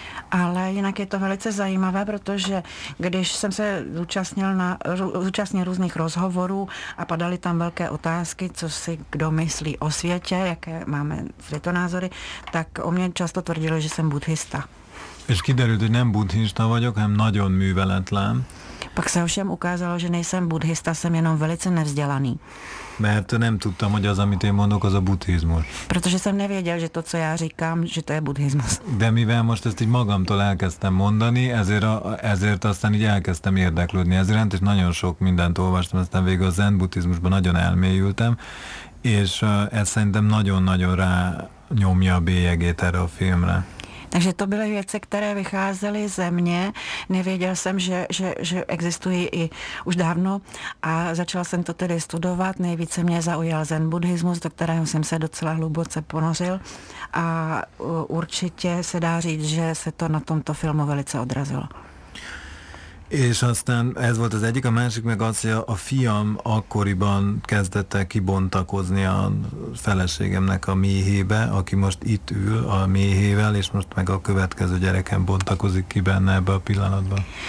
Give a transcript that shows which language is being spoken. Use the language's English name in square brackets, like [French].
[Czech] Ale jinak je to velice zajímavé, protože když jsem se zúčastnil různých rozhovorů a padaly tam velké otázky, co si kdo myslí o světě, jaké máme tyto názory, tak o mě často tvrdili, že jsem buddhista. [Hungarian] És kiderült, hogy nem buddhista vagyok, hanem nagyon műveletlen. [Czech] Pak se ovšem ukázalo, že nejsem buddhista, jsem jenom velice nevzdělaný. [Hungarian] Mert nem tudtam, hogy az, amit én mondok, az a buddhizmus. [Czech] Protože jsem nevěděl, že to, co já říkám, že to je buddhizmus. [Hungarian] De mivel most ezt így magamtól elkezdtem mondani, ezért aztán így elkezdtem érdeklődni ez iránt, és nagyon sok mindent olvastam, aztán végül a zen buddhizmusban nagyon elmélyültem, és ez szerintem nagyon-nagyon rá nyomja a bélyegét erre a filmre. [Czech] Takže to byly věci, které vycházely ze mě. Nevěděl jsem, že existují i už dávno a začal jsem to tedy studovat. Nejvíce mě zaujal zen buddhismus, do kterého jsem se docela hluboce ponořil a určitě se dá říct, že se to na tomto filmu velice odrazilo. [Hungarian] És aztán ez volt az egyik, a másik meg az, hogy a fiam akkoriban kezdett el kibontakozni a feleségemnek a méhébe, aki most itt ül a méhével, és most meg a következő gyerekem bontakozik ki benne ebbe a pillanatban.